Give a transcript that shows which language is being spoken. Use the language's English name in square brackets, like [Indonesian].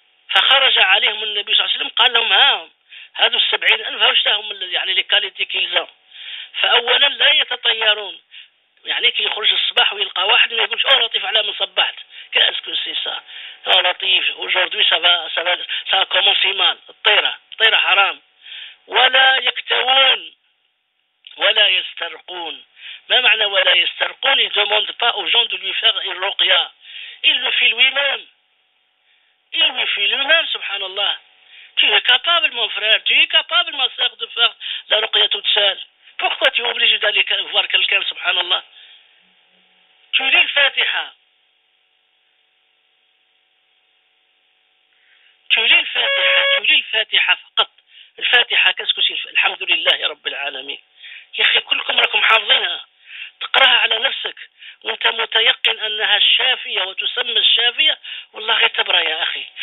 [Arabic] فخرج عليهم النبي صلى الله عليه وسلم قال لهم هاهم هادو 70 ألف، واش تاهم يعني [French] لي كاليتي كيلزام؟ [Arabic] فأولا لا يتطيرون، يعني كي يخرج الصباح ويلقى واحد ما يقولش او لطيف على من صبحت [French] كاس كوسي سا [Arabic] او لطيف [French] اجوردي سافا سافا سا كومونسي مال، [Arabic] الطيرة حرام. ولا يكتوون ولا يسترقون. ما معنى ولا يسترقون؟ [French] il demande pas aux gens de lui faire une ruqya، il le fait lui-même، il le fait lui-même. سبحان الله، tu es capable mon frère، tu es capable ma soeur de faire la ruqya toute seule، pourquoi tu es obligé d'aller voir quelqu'un؟ سبحان الله، tu lis le Fatiha، tu lis le Fatiha، tu lis le Fatiha [Arabic] فقط. الفاتحة كسكسي الحمد لله يا رب العالمين، يا أخي كلكم راكم حافظينها، تقرأها على نفسك وانت متيقن أنها الشافية وتسمى الشافية، والله غير تبرأ يا أخي.